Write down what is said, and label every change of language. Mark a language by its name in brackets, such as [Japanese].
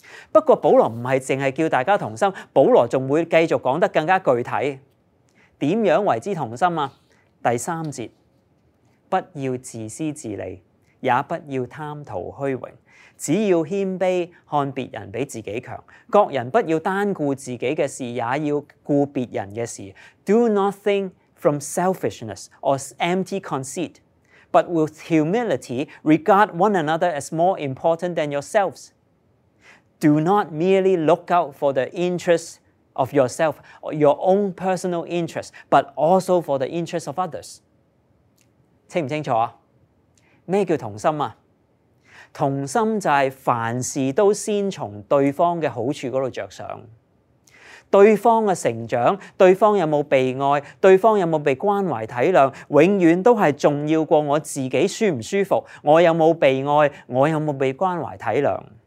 [Chinese] 不过保罗不是只是叫大家同心，保罗还会继续讲得更加具体。怎样为之同心啊？第三节，不要自私自利，也不要贪图虚荣。只要谦卑，看别人比自己强。各人不要单顾自己的事，也要顾别人的事。 [English] Do nothing from selfishness or empty conceit, but with humility, regard one another as more important than yourselves. Do not merely look out for the interests of yourself, or your own personal interests, but also for the interests of others. [Chinese] 清不清楚啊？什么叫同心啊？同心就是凡事都先从对方的好处那里着想。对方的成长，对方有没有被爱，对方有没有被关怀体谅，永远都是重要过我自己舒不舒服，我有没有被爱，我有没有被关怀体谅。